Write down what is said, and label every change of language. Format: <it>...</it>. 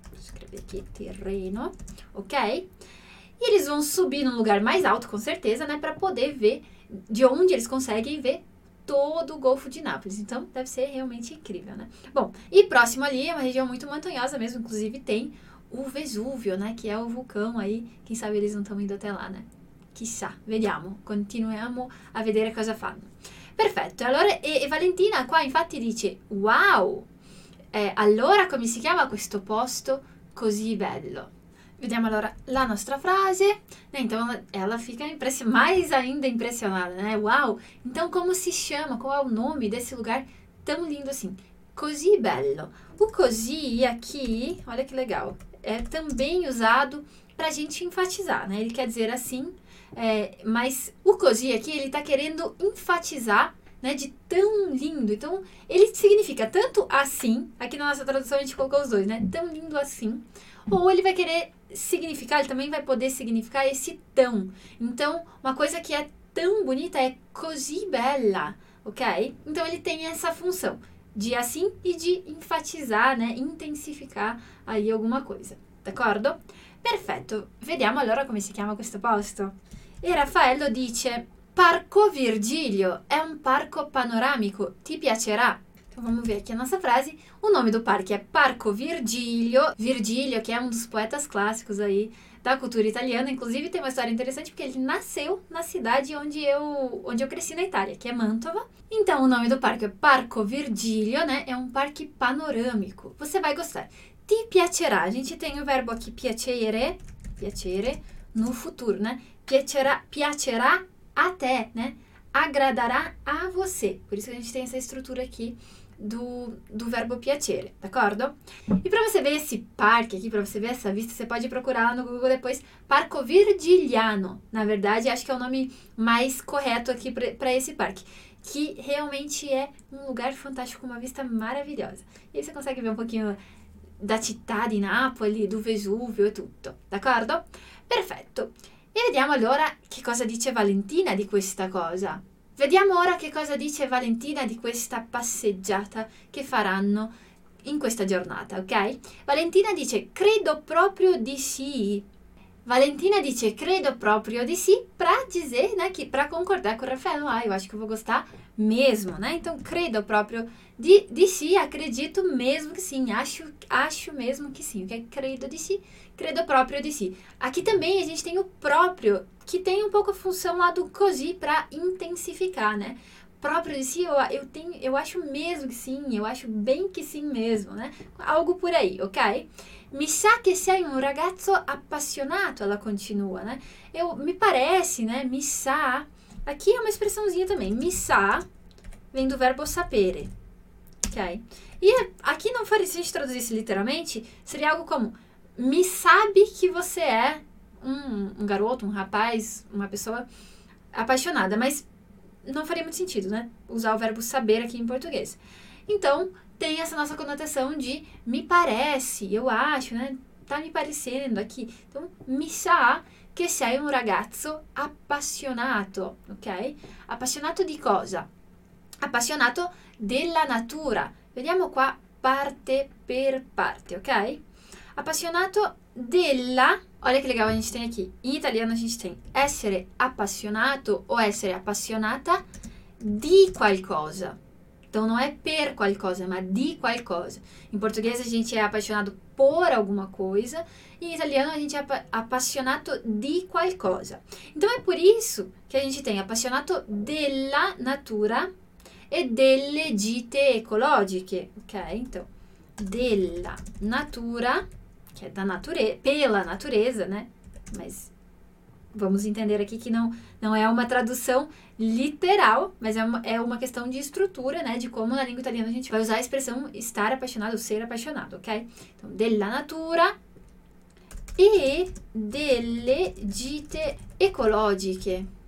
<pt>Escrever aqui, terreno, ok? E eles vão subir num lugar mais alto, com certeza, né? Para poder ver de onde eles conseguem ver todo o Golfo de Nápoles. Então, deve ser realmente incrível, né? Bom, e próximo ali é uma região muito montanhosa mesmo. Inclusive, tem o Vesúvio, né? Que é o vulcão aí. Quem sabe eles não estão indo até lá, né?</pt> <it>Chissà, vediamo. Continuiamo a vedere cosa fanno. Perfetto. Allora, e Valentina qua, infatti, dice, uau! Allora, come si chiama questo posto così bello? Vediamo allora la nostra frase.</it> <pt>Então, ela fica mais ainda impressionada, né? Uau! Então,</pt> <it>como si chiama?</it> <pt>Qual é o nome desse lugar tão lindo assim?</pt> <it>Così bello.</it> <pt>O così aqui, olha que legal, é também usado para a gente enfatizar, né? Ele quer dizer assim, mas o così aqui, ele está querendo enfatizar né, de tão lindo. Então, ele significa tanto assim, aqui na nossa tradução a gente colocou os dois, né? Tão lindo assim. Ou ele vai querer significar, ele também vai poder significar esse tão. Então, uma coisa que é tão bonita é</pt> <it>così bella,</it> <pt>ok? Então, ele tem essa função de assim e de enfatizzare, né, intensificare aí alguma cosa, d'accordo?</pt> <it>Perfetto, vediamo allora come si chiama questo posto. E Raffaello dice: Parco Virgilio, è un parco panoramico, ti piacerà.</it> <pt>Vamos ver aqui a nossa frase. O nome do parque é Parco Virgilio. Virgilio, que é um dos poetas clássicos aí da cultura italiana. Inclusive, tem uma história interessante porque ele nasceu na cidade onde eu cresci na Itália, que é Mantova. Então, o nome do parque é Parco Virgilio, né? É um parque panorâmico. Você vai gostar.</pt> <it>Ti piacerà.</it> <pt>A gente tem o verbo aqui piacere, piacere, no futuro, né?</pt> <it>Piacerà a te,</it> <pt>né? Agradarà a você. Por isso que a gente tem essa estrutura aqui do verbo piacere, d'accordo? E para você ver esse parque aqui, para você ver essa vista, você pode procurar lá no Google depois, Parco Virgiliano. Na verdade, acho que é o nome mais correto aqui para esse parque, que realmente é um lugar fantástico, uma vista maravilhosa. E aí você consegue ver um pouquinho da</pt> <it>città di Napoli,</it> <pt>do Vesuvio e tutto, d'accordo?</pt> <it>Perfetto. E vediamo allora che cosa dice Valentina di questa cosa. Vediamo ora che cosa dice Valentina di questa passeggiata che faranno in questa giornata, ok? Valentina dice: Credo proprio di sì. Valentina dice: Credo proprio di sì,</it> <pt>pra dizer, né, que pra concordar com o Rafael. Ah, eu acho que eu vou gostar mesmo, né? Então,</pt> <it>credo proprio di sì,</it> <pt>acredito mesmo que sim, acho mesmo que sim, ok?</pt> <it>Credo di sì, credo proprio di sì.</it> <pt>Aqui também a gente tem o proprio, que tem um pouco a função lá do così para intensificar, né?</pt> <it>Proprio di sì,</it> <pt>eu acho mesmo que sim, eu acho bem que sim mesmo, né? Algo por aí, ok?</pt> <it>Mi sa che sei un ragazzo appassionato,</it> <pt>ela continua, né? Me parece, né? Mi sa. Aqui é uma expressãozinha também. Mi sa vem do verbo sapere, ok? E aqui não faria, se a gente traduzisse literalmente, seria algo como: Mi sabe que você é um garoto, um rapaz, uma pessoa apaixonada, mas não faria muito sentido, né? Usar o verbo saber aqui em português. Então, tem essa nossa conotação de me parece, eu acho, né? Tá me parecendo aqui. Então,</pt> <it>mi sa che sei un ragazzo appassionato, ok? Appassionato di cosa? Appassionato della natura. Vediamo qua parte per parte, ok? Appassionato della.</it> <pt>Olha que legal a gente tem aqui. Em italiano a gente tem</pt> <it>essere appassionato ou essere appassionata di qualcosa. Então não é per qualcosa, ma di qualcosa.</it> <pt>Em português a gente é appassionato por alguma coisa. E em italiano a gente é</pt> <it>appassionato di qualcosa.</it> <pt>Então é por isso que a gente tem</pt> <it>appassionato della natura e delle gite ecologiche.</it> <pt>Ok? Então, della natura. Che è da nature pela natureza, né? Mas vamos entender aqui que não é uma tradução literal, mas é uma questão de estrutura, né? De como na língua italiana a gente vai usar a expressão estar apaixonado, ser apaixonado, ok?</pt> <it>Então, della natura e delle gite ecologiche.</it>